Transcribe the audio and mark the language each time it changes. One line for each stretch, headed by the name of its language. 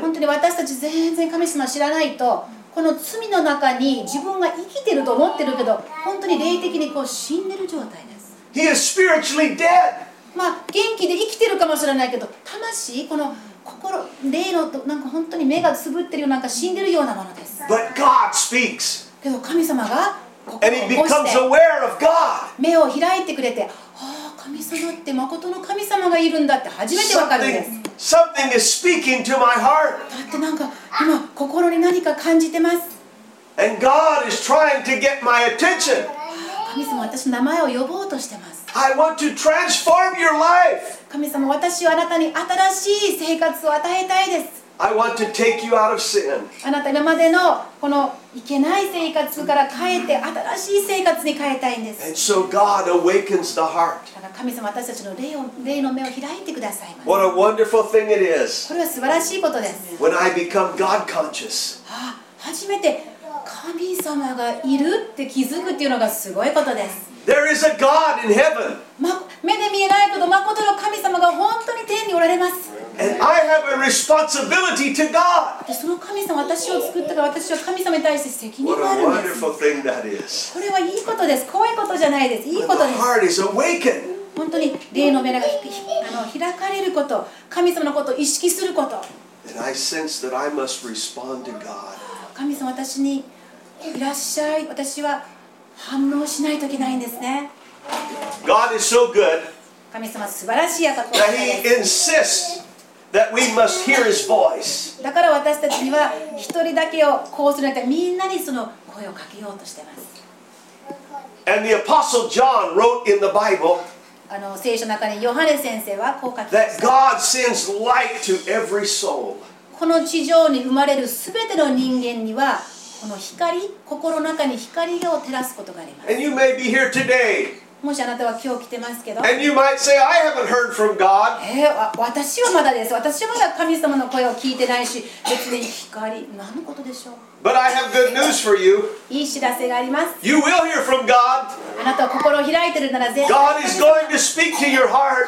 Japanese: 本当に私たち全然神様知らないとこの罪の中に自分が生きてると思ってるけど本当に霊的にこう死んでる状態です。
English: He is spiritually dead.
Japanese: まあ元気で生きてるかもしれないけど魂この心霊のとなんか本当に目がつぶってるようなんか死んでるようなものです。
English: But God speaks.
Japanese: けど神様が
English: And he becomes aware of God.
Japanese: 目を開いてくれて、ああ、神様って誠の神様がいるんだって初めてわかるんです。
English: Something is speaking to my heart.
Japanese: だってなんか今心に何か感じてます。
English: And God is trying to get my attention.
Japanese: 神様私の名前を呼ぼうとしてます。
English: I want to transform your life.
Japanese: 神様私はあなたに新しい生活を与えたいです。
English: I want to take you out of sin.
Japanese: あなた今までのこのいけない生活から変えて新しい生活に変えたいんです。
English: And so God awakens the heart.
Japanese: 神様私たちの霊の目を開いてくださいます。
English: What a wonderful thing it is.
Japanese: これは素晴らしいことです。
English: When I become God conscious.
Japanese: 初めて神様がいるって気づくっていうのがすごいことです。
English: There is a God in heaven.
Japanese: 目で見えないけど誠の神様が本当に天におられます。
English: And I have a responsibility to God.
Japanese: その神様私を作ったから私は神様に対して責任があるんです。
English: What a wonderful thing that is.
Japanese: これはいいことです。怖いことじゃないです。いいことです。
English: The heart is awakened.
Japanese: 本当に霊の目が開かれること、神様のことを意識すること。
English: And I sense that I must respond to God.
Japanese: 神様私にいらっしゃい。私は反応しないといけないんですね。
English: God is so good.
Japanese: 神様素晴らしいやさ
English: こ。That He insists. That we must hear his voice.
Japanese: だから私たちには一人だけをこうするなんてみんなにその声をかけようとしています。
English: And the Apostle John wrote in the Bible,
Japanese: 聖書の中にヨハネ先生はこう書きました。
English: That God sends light to every soul.
Japanese: この地上に生まれるすべての人間にはこの光、心の中に光を照らすことがあります。
English: And you may be here today.
Japanese: もしあなたは今日来てますけど
English: And you might say, I haven't heard from God.
Japanese: 私はまだです。私はまだ神様の声を聞いてないし、別に光、何のことでしょう。
English: But I have good news for you.
Japanese: いい知らせがあります。
English: You will hear from God.
Japanese: あなたは心を開いてるなら
English: God is going to speak to your heart.